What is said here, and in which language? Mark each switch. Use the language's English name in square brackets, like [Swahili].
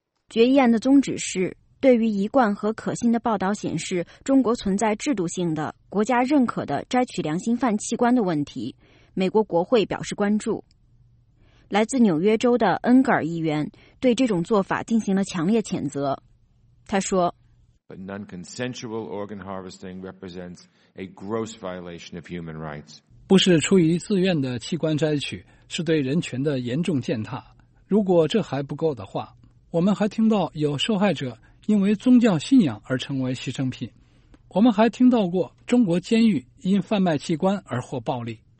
[Chinese] 决议案的宗旨是，对于一贯和可信的报道显示中国存在制度性的、国家认可的摘取良心犯器官的问题，美国国会表示关注。来自纽约州的恩格尔议员对这种做法进行了强烈谴责。他说 [English] But non-consensual organ harvesting represents a gross violation of human rights. [Chinese] 不是出于自愿的器官摘取是对人权的严重践踏。如果这还不够的话，我们还听到有受害者因为宗教信仰而成为牺牲品。我们还听到过中国监狱因贩卖器官而获暴利。